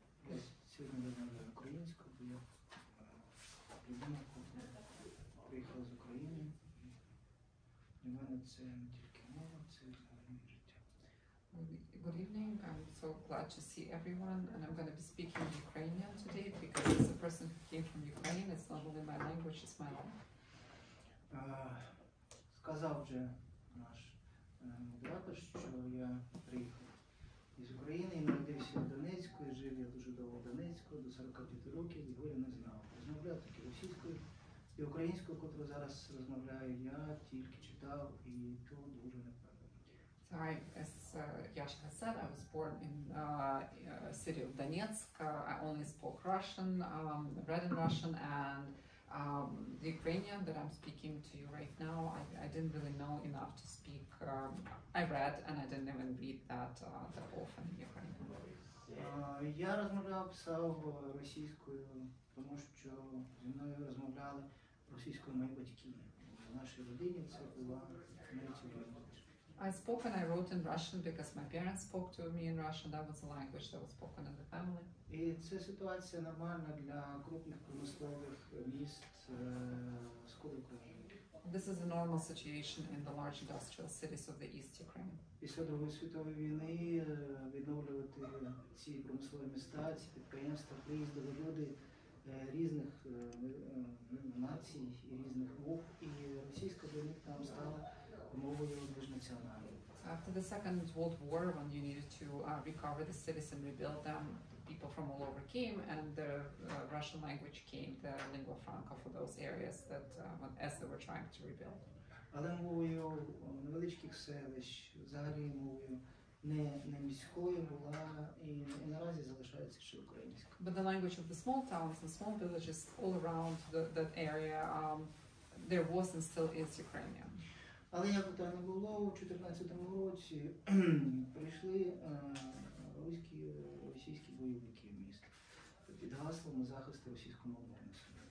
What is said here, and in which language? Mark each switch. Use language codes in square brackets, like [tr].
[uk] Я сьогодні розмовляю українською, бо я людина, яка приїхала з України. Для мене це не тільки мова, це [en] Good evening. I'm so glad to see everyone, and I'm going to be speaking Ukrainian today because as a person who came from Ukraine, it's not only my language, it's my life. [uk] Сказав вже наш оператор, що я приїхав із України, і народився в Донецьку, і жив я дуже довго в Донецьку, до 45 років, його я не знав. Розмовляв тільки російською і українською, яку зараз розмовляю, я тільки читав, і то дуже не [en] So I, as Yasha has said, I was born in the city of Donetsk. I only spoke Russian, read in Russian, and the Ukrainian that I'm speaking to you right now, I didn't really know enough to speak. I read, and I didn't even read that often in Ukrainian. [uk] Я розмовляв, писав російською, тому що зі мною розмовляли російською мої батьки. В нашій родині це була третя. [en] I spoke and I wrote in Russian because my parents spoke to me in Russian. That was the language that was spoken in the family. [uk] І це ситуація нормальна для крупних промислових міст сходу України. [en] This is a normal situation in the large industrial cities of the East Ukraine. [uk] Після Другої світової війни відновлювати ці промислові міста, ці підприємства, приїздили люди різних націй і різних мов, і російська для них там стала мовою міжнаціональною. [en] After the Second World War, when you needed to recover the cities and rebuild them, people from all over came, and the Russian language came, the lingua franca for those areas that as they were trying to rebuild. [uk] Але мовою невеличких селищ, взагалі мовою не міською була, і наразі залишається ще українська. [en] But the language of the small towns and small villages all around that area, there was and still is Ukrainian. [uk] Але як там не було, у 14-му році прийшли російські, російські бойовики в місто під гаслом захисту російськомовного населення.